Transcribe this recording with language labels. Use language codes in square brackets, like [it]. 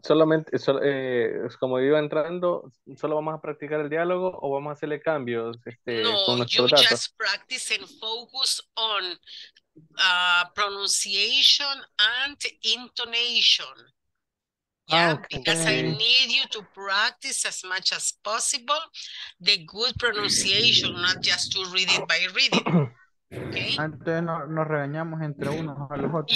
[es] Solamente, como iba entrando, solo vamos a practicar el diálogo o vamos a hacerle cambios con nuestro [en] you [es] dato. [en] Just practice and focus on pronunciation and intonation. Yeah, okay. Because I need you to practice as much as possible the good pronunciation, not just to read it by reading. Okay. [es] Entonces nos regañamos entre unos a los otros.